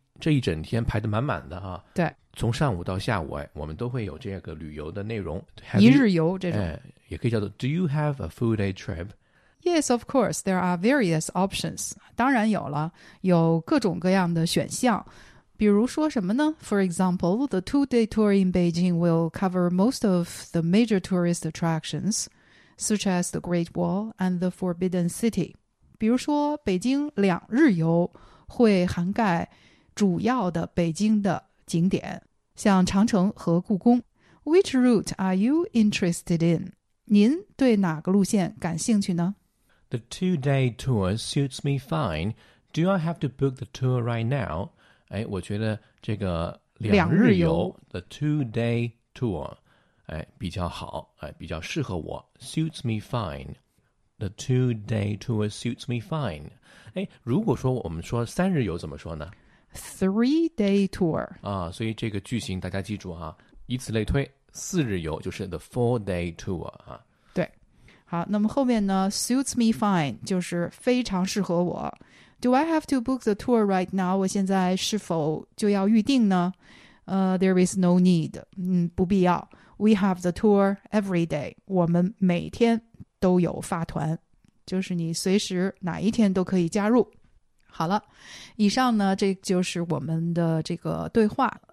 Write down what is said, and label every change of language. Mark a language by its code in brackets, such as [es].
[zh] 这一整天排得满满的哈。对。从上午到下午，哎，我们都会有这个旅游的内容。一日游这种。哎，也可以叫做 [en] Do you have a full day trip? Yes, of course, there are various options. [zh] 当然有了，有各种各样的选项。比如说什么呢？ [en] For example, the two-day tour in Beijing will cover most of the major tourist attractions, such as the Great Wall and the Forbidden City. [zh] 比如说北京两日游会涵盖主要的北京的景点，像长城和故宫。 [en] Which route are you interested in? [zh] 您对哪个路线感兴趣呢？ [en] The two-day tour suits me fine. Do I have to book the tour right now? [zh] 哎，我觉得这个两日游， [en] the two-day tour， [zh] 哎，比较好，哎，比较适合我。 [en] Suits me fine. The two-day tour suits me fine. [zh] 哎，如果说我们说三日游怎么说呢 [en] ？Three-day tour. [zh] 啊，所以这个句型大家记住哈、啊，以此类推，四日游就是 [en] the four-day tour [zh] 啊。好，那么后面呢 [en] suits me fine [zh] 就是非常适合我。 [en] Do I have to book the tour right now? [zh] 我现在是否就要预定呢？ [en] There is no need. [zh] 不必要。 [en] We have the tour every day. [zh] 我们每天都有发团，就是你随时哪一天都可以加入。好了，以上呢这就是我们的这个对话。